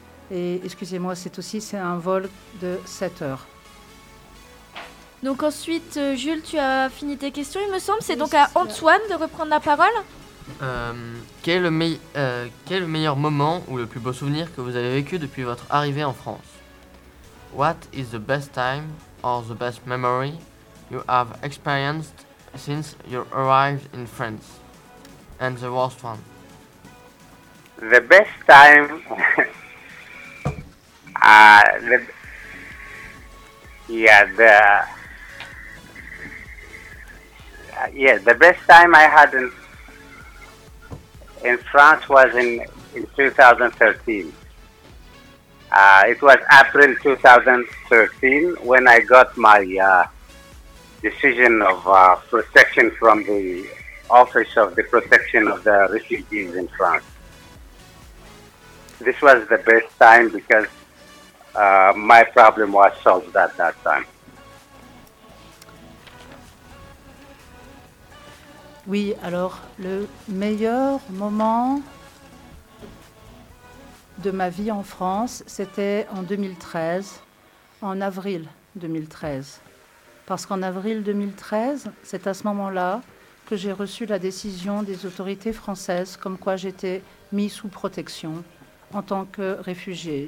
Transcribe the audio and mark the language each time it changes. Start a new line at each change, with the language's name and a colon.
French: Et excusez-moi, c'est un vol de 7 heures. Donc ensuite, Jules, tu as fini tes questions, il me semble. C'est donc à Antoine de reprendre la parole. Quel est le meilleur moment ou le plus beau souvenir que vous avez vécu depuis votre arrivée en France?
English: What is the best time or the best memory you have experienced since you arrived in France, and the worst one? The best time, the best time I had in France was in 2013. It was April 2013 when I got my decision of protection from the Office of the Protection of the Refugees in France. This was the best time because my problem was solved at that time.
French: Oui, alors le meilleur moment de ma vie en France, c'était en 2013, en avril 2013. Parce qu'en avril 2013, c'est à ce moment-là que j'ai reçu la décision des autorités françaises comme quoi j'étais mise sous protection en tant que réfugiée.